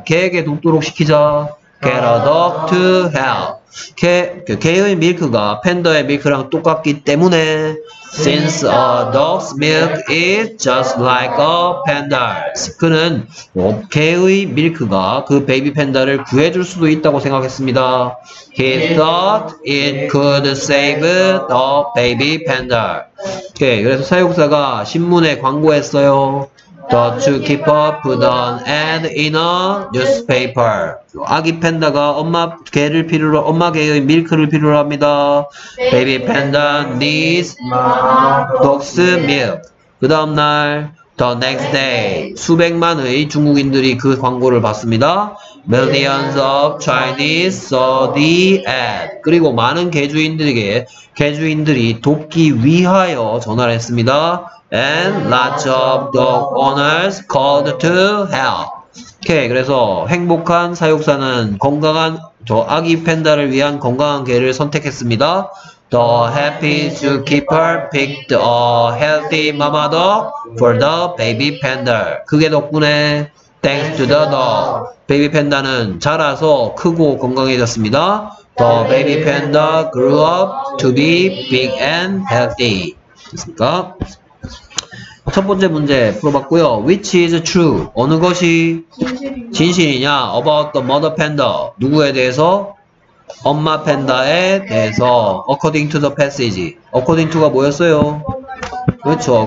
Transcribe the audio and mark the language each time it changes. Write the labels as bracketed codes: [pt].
[ko] 개에게 돕도록 시키자. [en] Get a dog to help. [ko] 개의 밀크가 팬더의 밀크랑 똑같기 때문에 [en] Since a dog's milk is just like a panda's. [ko] 그는 개의 밀크가 그 베이비 팬더를 구해줄 수도 있다고 생각했습니다. [en] He thought it could save the baby panda. [ko] 그래서 사육사가 신문에 광고했어요. [en] The zookeeper put an ad in a newspaper. [ko] 아기 팬더가 엄마 개의 밀크를 필요로 합니다. [en] Baby panda needs dog's milk. [ko] 그 다음날, [en] the next day, [ko] 수백만의 중국인들이 그 광고를 봤습니다. [en] Millions of Chinese saw the ad. [ko] 그리고 많은 개주인들이 돕기 위하여 전화를 했습니다. [en] And lots of dog owners called to help. [ko] 오케이, 그래서 행복한 사육사는 아기 팬더를 위한 건강한 개를 선택했습니다. [en] The happy zookeeper picked a healthy mama dog for the baby panda. [ko] 그게 덕분에 [en] thanks to the dog, [ko] baby panda는 자라서 크고 건강해졌습니다. [en] The baby panda grew up to be big and healthy. [ko] 됐습니까? 첫 번째 문제 풀어봤고요. [en] Which is true? [ko] 어느 것이 진실이냐? [en] About the mother panda. [ko] 누구에 대해서? 엄마 팬더에 대해서. [en] According to the passage. According to가 [ko] 뭐였어요? 그렇죠.